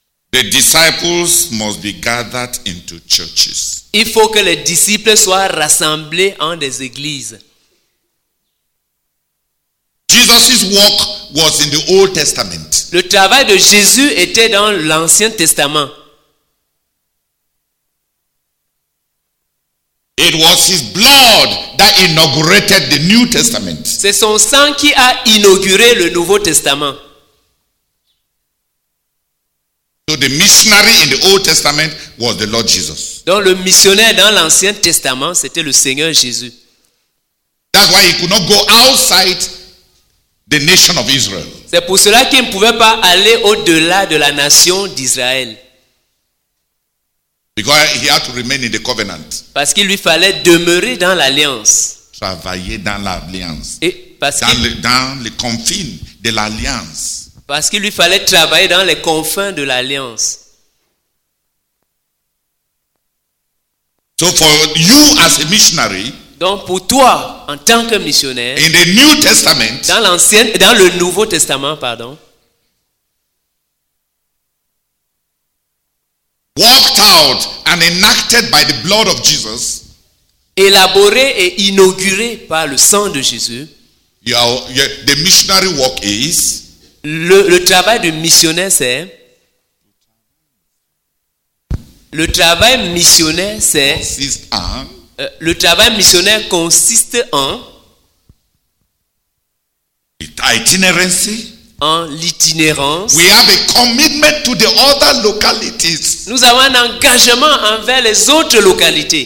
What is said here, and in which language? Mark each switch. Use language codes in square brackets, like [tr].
[en] The disciples must be gathered into churches. [fr] Il faut que les disciples soient rassemblés en des églises. [en] Jesus's work was in the Old Testament. [fr] Le travail de Jésus était dans l'Ancien Testament. [en] It was his blood that inaugurated the New Testament. [fr] C'est son sang qui a inauguré le Nouveau Testament. [en] So the missionary in the Old Testament was the Lord Jesus. [fr] Donc le missionnaire dans l'Ancien Testament, c'était le Seigneur Jésus. [en] That's why he could not go outside the nation of Israel. [fr] C'est pour cela qu'il ne pouvait pas aller au-delà de la nation d'Israël. [en] Because he had to remain in the covenant. [fr] Parce qu'il lui fallait demeurer dans l'alliance. Travailler dans l'alliance. Et parce dans, dans les confins de l'alliance. Parce qu'il lui fallait travailler dans les confins de l'alliance. [en] So for you as a missionary. [fr] Donc pour toi, en tant que missionnaire, [en] in the New Testament, [fr] dans le Nouveau Testament, pardon, [en] worked out and enacted by the blood of Jesus, [fr] élaboré et inauguré par le sang de Jésus, [en] the missionary work is, [fr] le travail du missionnaire, c'est, le travail missionnaire, c'est, le travail missionnaire consiste en [en] itinerancy. [fr] En l'itinérance. [en] We have a commitment to the other localities. [fr] Nous avons un engagement envers les autres localités.